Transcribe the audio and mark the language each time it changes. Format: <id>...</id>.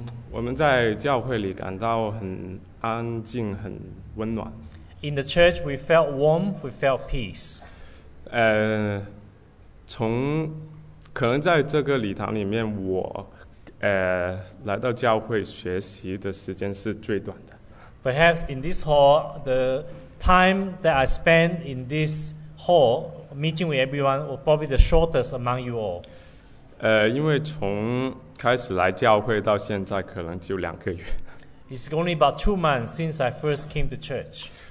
<zh>我们在教会里感到很安静，很温暖。</zh> <en>In the church, we felt warm, we felt peace.</en> <zh>从可能在这个礼堂里面，我来到教会学习的时间是最短的。</zh> <en>Perhaps in this hall, the time that I spend in this hall,meeting with everyone was probably the shortest among you all.</en> <zh>因为从开始来教会到现在可能就两个月。</zh> <en>It's only about 2 months since I first came to church.</en>